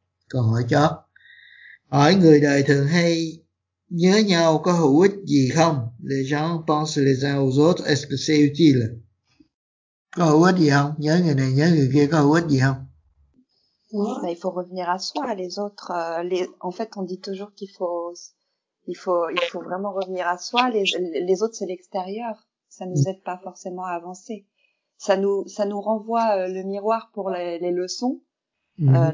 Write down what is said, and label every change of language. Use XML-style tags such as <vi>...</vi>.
<fr>Quand on regarde,</fr> <vi>hỏi người đời thường hay nhớ nhau có hữu ích gì không?</vi> <fr>Les gens pensent les uns aux autres, est-ce que c'est utile?</fr> <vi>Có hữu ích gì không? Nhớ người này, nhớ người kia có hữu ích gì không?</vi> <fr>Oui, il faut revenir à soi, les autres, en fait, on dit toujours qu'il faut, il faut vraiment revenir à soi, les autres, c'est l'extérieur, ça nous aide pas forcément à avancer. Ça nous renvoie le miroir pour les leçons. Mmh.</fr>